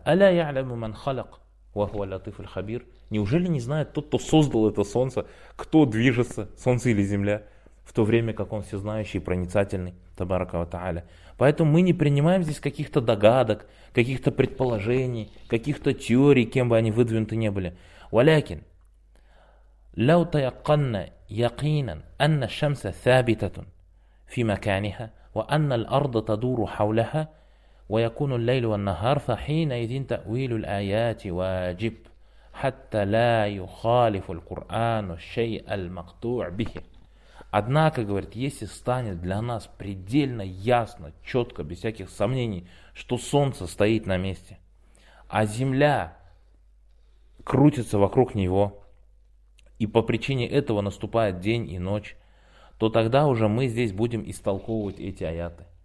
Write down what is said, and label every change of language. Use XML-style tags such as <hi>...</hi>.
<ar>Аля яляму ман халяк, ва хуа латиф аль хабир.</ar> <ru>Неужели не знает тот, кто создал это солнце, кто движется, солнце или земля, в то время как он всезнающий и проницательный,</ru> <ar>табарака ва тааля.</ar> <ru>Поэтому мы не принимаем здесь каких-то догадок, каких-то предположений, каких-то теорий, кем бы они выдвинуты не были.</ru> <ar>Валякин. لو تيقن يقينا أن الشمس ثابتة في مكانها وأن الأرض تدور حولها ويكون الليل والنهار فحينئذ تأويل الآيات واجب حتى لا يخالف القرآن الشيء المقطوع به.</ar> <ru>Однако, говорит, если станет для нас предельно ясно, четко, без всяких сомнений, что солнце стоит на месте, а земля крутится вокруг него, и по причине этого наступает день и ночь, то тогда уже мы здесь будем истолковывать эти аяты.</ru>